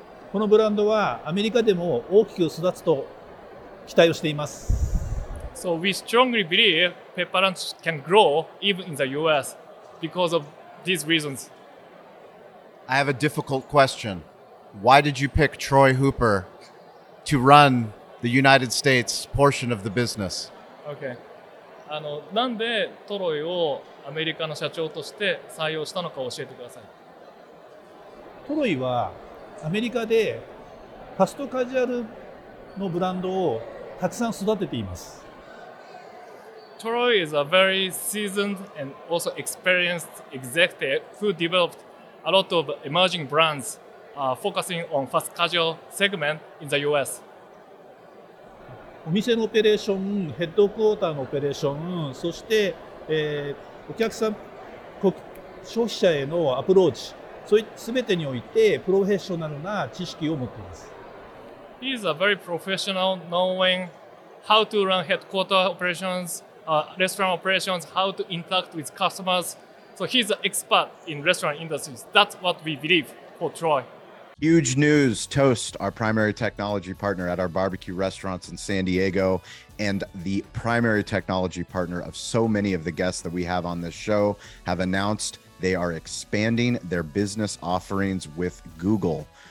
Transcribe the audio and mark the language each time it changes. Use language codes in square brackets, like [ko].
[ja] このブランドはアメリカでも大きく育つと期待をしています。 [en] So we strongly believe pepper lunch can grow even in the US because of these reasons. I have a difficult question. Why did you pick Troy Hooper to run the United States portion of the business? Okay. [ja] なんでトロイをアメリカの社長として採用したのか教えてください。トロイはアメリカでファストカジュアルのブランドをたくさん育てています。 [en] トロイ is a very seasoned and also experienced executive who developed a lot of emerging brands focusing on fast casual segment in the US. [ja] お店のオペレーション、ヘッドクォーターのオペレーション、そして、お客さん、消費者へのアプローチ、そういった全てにおいてプロフェッショナルな知識を持っています。 [en] He is a very professional knowing how to run headquarter operations, restaurant operations, how to interact with customers. So he's an expert in restaurant industries. That's what we believe for Troy. Huge news, Toast, our primary technology partner at our barbecue restaurants in San Diego and the primary technology partner of so many of the guests that we have on this show have announced they are expanding their business offerings with Google.